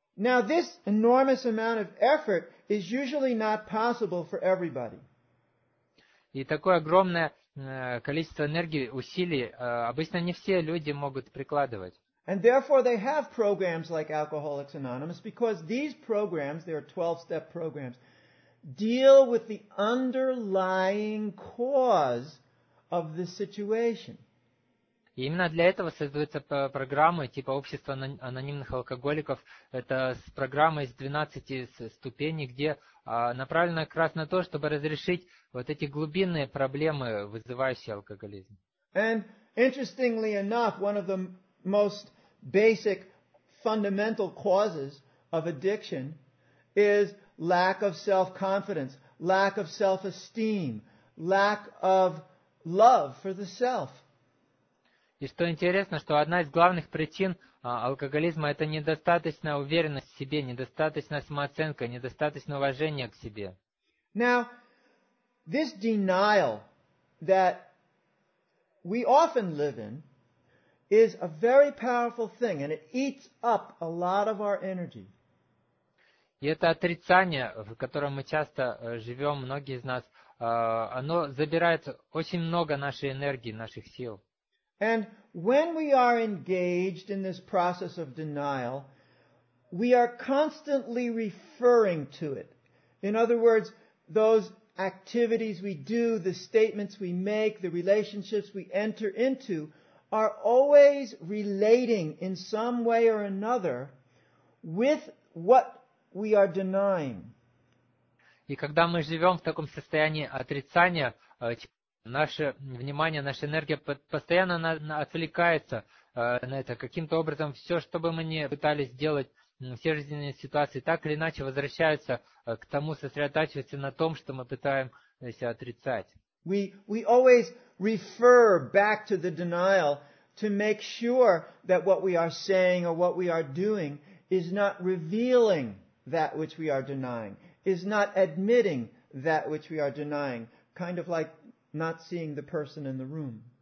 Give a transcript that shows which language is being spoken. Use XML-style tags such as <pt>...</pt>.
<en>Now, this enormous amount of effort is usually not possible for everybody.</en> <ru>И такое огромное количество энергии, усилий обычно не все люди могут прикладывать.</ru> <en>And therefore they have programs like Alcoholics Anonymous, because these programs, they are 12-step programs, deal with the underlying cause of the situation.</en> <ru>И именно для этого создаются программы типа общества анонимных алкоголиков. Это программа из 12 ступеней, где направлена как раз на то, чтобы разрешить вот эти глубинные проблемы, вызывающие алкоголизм.</ru> <en>And interestingly enough, one of the most basic fundamental causes of addiction is lack of self-confidence, lack of self-esteem, lack of love for the self.</en> <ru>И что интересно, что одна из главных причин алкоголизма – это недостаточная уверенность в себе, недостаточная самооценка, недостаточное уважение к себе.</ru> <en>Now, this denial that we often live in is a very powerful thing, and it eats up a lot of our energy.</en> <ru>И это отрицание, в котором мы часто живем, многие из нас, оно забирает очень много нашей энергии, наших сил.</ru> <en>And when we are engaged in this process of denial, we are constantly referring to it. In other words, those activities we do, the statements we make, the relationships we enter into, are always relating in some way or another with what we are denying.</en> <ru>И когда мы живем в таком состоянии отрицания, наше внимание, наша энергия постоянно отвлекается на это. Каким-то образом все, что бы мы ни пытались сделать, все жизненные ситуации так или иначе возвращаются к тому, сосредотачиваются на том, что мы пытаемся отрицать.</ru> <en>We always refer back to the denial to make sure that what we are saying or what we are doing is not revealing that which we are denying, is not admitting that which we are denying, kind of like not seeing the person in the room.</en>